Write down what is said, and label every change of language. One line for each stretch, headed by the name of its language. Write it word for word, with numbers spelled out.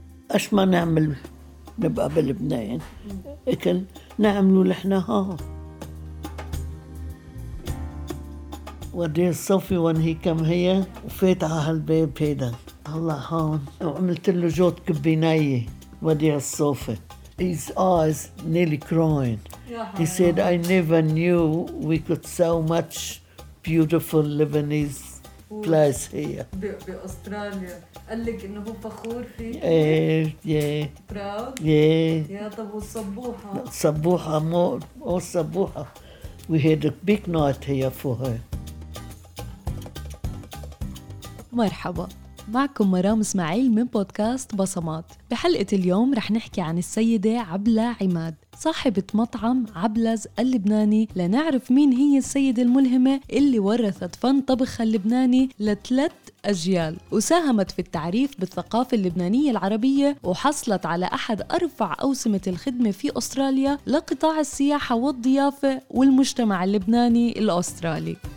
Arabic: أش ما نعمل نبقى بلبنان إكل نعمله لحنا ها ودي الصوفي وان هي كم هي وفيت على هالباب هيدا هلا هون وعملت له جوت كبيناية ودي الصوفي.
English: His eyes nearly crying. He said, I never knew we could so much beautiful Lebanese place here.
Arabic: بأستراليا قال لك إنه هو فخور فيك.
English: Yeah, yeah, Proud. yeah.
Arabic: يا طب والصبوحة صبوحة مو أو صبوحة.
English: We had a big night here for her.
Arabic: مرحبا، معكم مرام اسماعيل من بودكاست بصمات. بحلقة اليوم رح نحكي عن السيدة عبلة عماد، صاحبة مطعم عبلز اللبناني، لنعرف مين هي السيدة الملهمة اللي ورثت فن طبخها اللبناني لثلاث أجيال، وساهمت في التعريف بالثقافة اللبنانية العربية، وحصلت على أحد أرفع أوسمة الخدمة في أستراليا لقطاع السياحة والضيافة والمجتمع اللبناني الأسترالي.